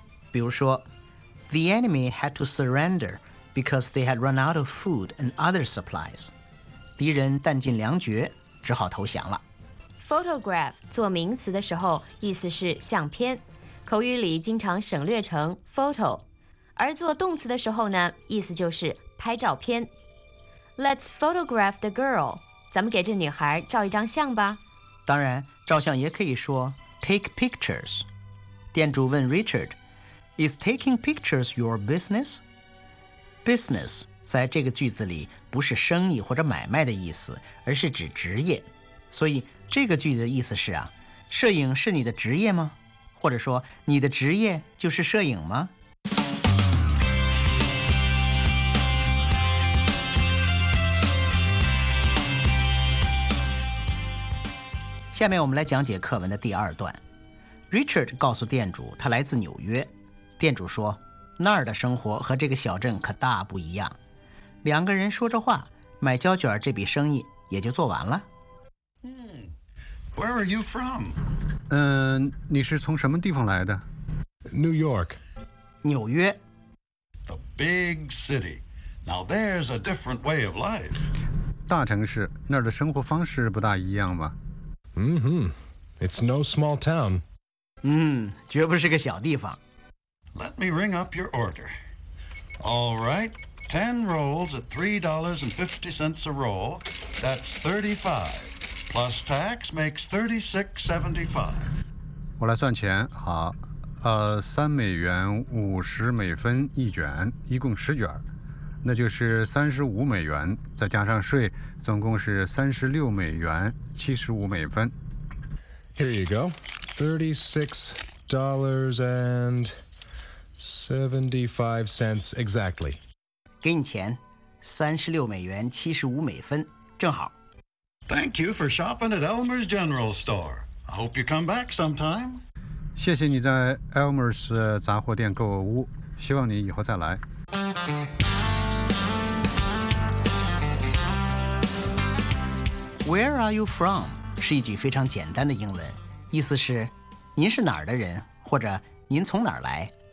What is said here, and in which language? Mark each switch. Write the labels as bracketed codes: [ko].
[zh] 比如说 [en] ，The enemy had to surrender because they had run out of food and other supplies. [zh] 敌人弹尽粮绝，只好投降了。 Photograph 做名词的时候，意思是相片，口语里经常省略成 photo， 而做动词的时候呢，意思就是。拍照片 [en] Let's photograph the girl [zh] 咱们给这女孩照一张相吧当然照相也可以说 [en] Take pictures [zh] 店主问 Richard [en] Is taking pictures your business? [zh] Business 在这个句子里不是生意或者买卖的意思而是指职业所以这个句子的意思是啊，摄影是你的职业吗或者说你的职业就是摄影吗下面我们来讲解课文的第二段。 Richard 告诉店主他来自纽约。店主说那儿的生活和这个小镇可大不一样。两个人说着话买胶卷这笔生意也就做完了。 [en] Where are you from? [zh] 你是从什么地方来的 [en] ？New York， [zh] 纽约。 [en] The big city. Now there's a different way of life. [zh] 大城市那儿的生活方式不大一样吧 [en] ？Mm-hmm. It's no small town. [zh] 绝不是个小地方。 [en] Let me ring up your order. All right, 10 rolls at $3.50 a roll. That's 35. Plus tax makes 36.75. [zh] 我来算钱，好。 $350一卷，一共10卷，那就是$35，再加上税，总共是$36.75。 [en] Here you go, $36.75 exactly. [zh] 给你钱，$36.75，正好。 [en] Thank you for shopping at Elmer's General Store. I hope you come back sometime. [zh] 谢谢你在 Elmer's 杂货店购物，希望你以后再来。 [en] Where are you from? [zh] 是一句非常简单的英文，意思是您是哪儿的人，或者您从哪儿来。